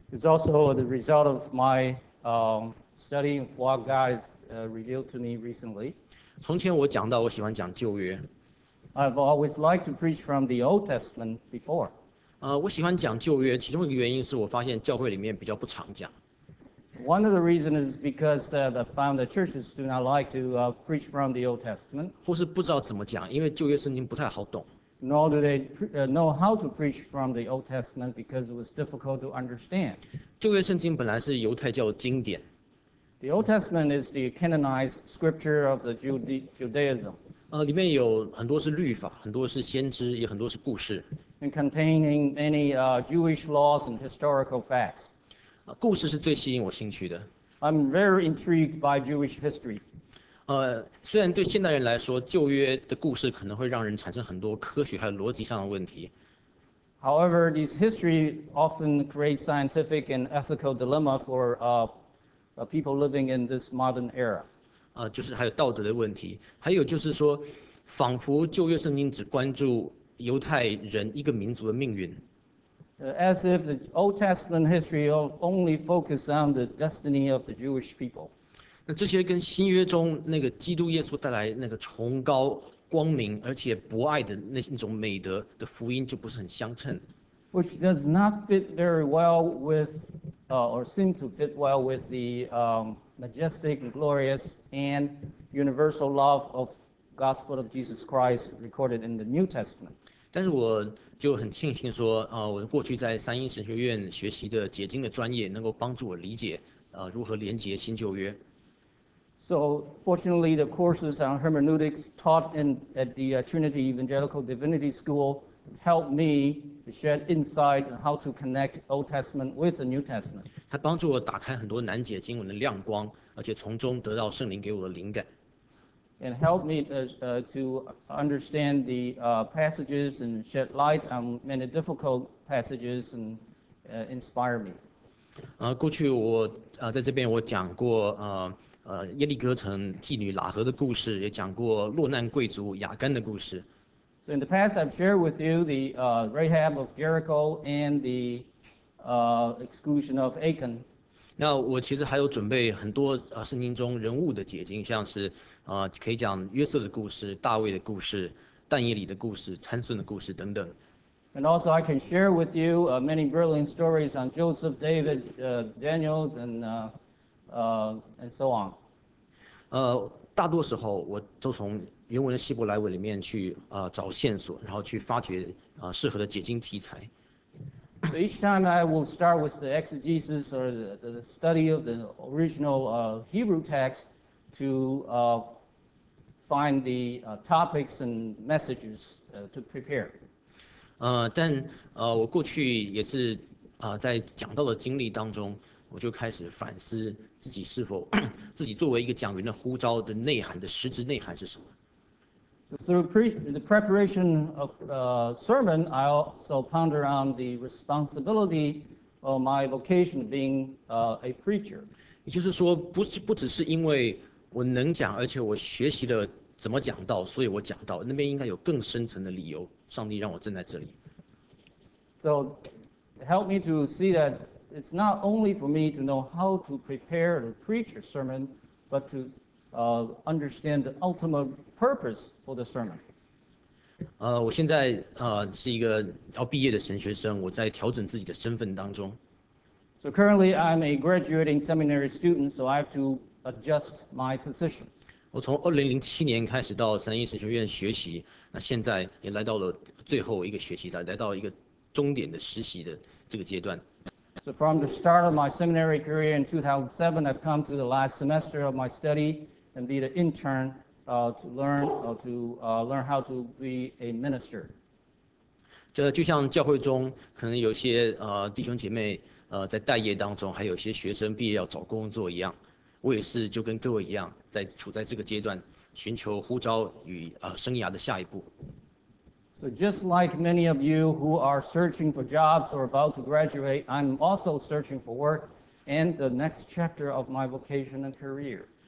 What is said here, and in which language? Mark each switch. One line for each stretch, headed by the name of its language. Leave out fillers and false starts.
English: It's also the result of my study of what God revealed to me recently.
Chinese: 从前我讲到我喜欢讲旧约。
English: I've always liked to preach from the Old Testament before.
Chinese: 我喜欢讲旧约，其中一个原因是我发现教会里面比较不常讲。
English: One of the reasons is because the founder churches do not like to preach from the Old Testament.
Chinese: 或是不知道怎么讲，因为旧约圣经不太好懂。
English: Nor do they know how to preach from the Old Testament because it was difficult to understand.
Chinese: 旧约圣经本来是犹太教的经典。
English: The Old Testament is the canonized scripture of the Judaism.
Chinese: 里面有很多是律法，很多是先知，也很多是故事。
English: And containing many Jewish laws and historical facts.
Chinese: 故事是最吸引我兴趣的。
English: I'm very intrigued by Jewish history.
Chinese: 虽然对现代人来说，旧约的故事可能会让人产生很多科学还有逻辑上的问题。
English: However, this history often creates scientific and ethical dilemma for people living in this modern era.
Chinese: 就是还有道德的问题，还有就是说，仿佛旧约圣经只关注。犹太人一个民族的命运。
English: As if the Old Testament history only focused on the destiny of the Jewish people.
Chinese: 那这些跟新约中那个基督耶稣带来那个崇高光明而且博爱的那种美德的福音就不是很相称。
English: Which does not fit very well with, or seem to fit well with the majestic, glorious, and universal love of. Gospel of Jesus Christ recorded in the New Testament.
Chinese: 但是我就很庆幸说，我过去在三一神学院学习的解经的专业，能够帮助我理解，如何连接新旧约。
English: So fortunately, the courses on hermeneutics taught at the Trinity Evangelical Divinity School helped me to shed insight on how to connect Old Testament with the New Testament.
Chinese: 它帮助我打开很多难解经文的亮光，而且从中得到圣灵给我的灵感。
English: And help me to understand the passages and shed light on many difficult passages and inspire me.
Chinese: 过去我在这边我讲过耶利哥城妓女喇合的故事，也讲过落难贵族雅干的故事。
English: So in the past, I've shared with you the Rahab of Jericho and the exclusion of Achan.
Chinese: 那我其实还有准备很多圣经中人物的解经，像是可以讲约瑟的故事、大卫的故事、但以理的故事、参孙的故事等等。
English: And also, I can share with you many brilliant stories on Joseph, David, Daniels, and so on.
Chinese: 大多时候我都从原文的希伯来文里面去找线索，然后去发掘适合的解经题材。
English: So each time I will start with the exegesis or the study of the original Hebrew text to find the topics and messages to prepare.
Chinese: 但我过去也是在讲到的经历当中，我就开始反思自己是否自己作为一个讲员的呼召的内涵的实质内涵是什么。
English: So through the preparation of sermon, I also ponder on the responsibility of my vocation being a preacher.
Chinese: 也就是说，不只是因为我能讲，而且我学习了怎么讲道，所以我讲道。那边应该有更深层的理由，上帝让我站在这里。
English: So help me to see that it's not only for me to know how to prepare to preach a sermon, but to understand the ultimate purpose for the sermon.
Chinese: 我现在是一个要毕业的神学生，我在调整自己的身份当中。
English: So currently I'm a graduating seminary student, so I have to adjust my position.
Chinese: 我从2007年开始到三一神学院学习，那现在也来到了最后一个学期，来到一个终点的实习的这个阶段。
English: So from the start of my seminary career in 2007, I've come to the last semester of my study and be the intern to learn how to be a minister.
Chinese: 就像教会中可能有些弟兄姐妹在待业当中，还有些学生毕业要找工作一样，我也是就跟各位一样，在处在这个阶段，寻求呼召与生涯的下一步。
English: So just like many of you who are searching for jobs or about to graduate, I'm also searching for work and the next chapter of my vocation and career.